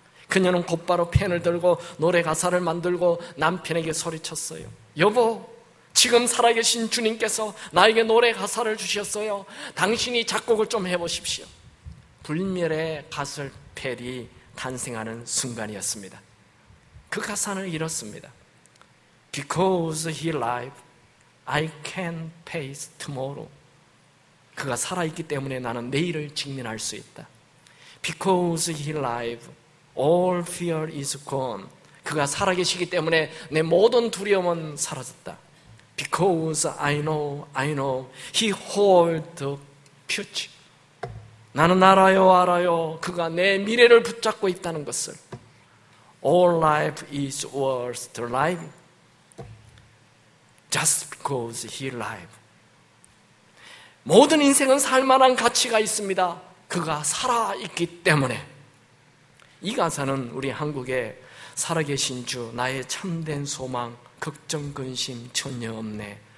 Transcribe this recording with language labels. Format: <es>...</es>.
<ko>그녀는 곧바로 펜을 들고 노래 가사를 만들고 남편에게 소리쳤어요. 여보, 지금 살아계신 주님께서 나에게 노래 가사를 주셨어요. 당신이 작곡을 좀 해보십시오. 불멸의 가설 펠이 탄생하는 순간이었습니다. 그 가사는 이렇습니다.</ko> <en>Because he lives, I can face tomorrow.</en> <ko>그가 살아있기 때문에 나는 내일을 직면할 수 있다.</ko> <en>Because he lives, all fear is gone.</en> <ko>그가 살아계시기 때문에 내 모든 두려움은 사라졌다.</ko> <en>Because I know, he holds the future.</en> <ko>나는 알아요. 그가 내 미래를 붙잡고 있다는 것을.</ko> <en>All life is worth the life. Just because he lives.</en> <ko>모든 인생은 살만한 가치가 있습니다. 그가 살아있기 때문에. 이 가사는 우리 한국의 살아계신 주, 나의 참된 소망, 걱정, 근심 전혀 없네.</ko>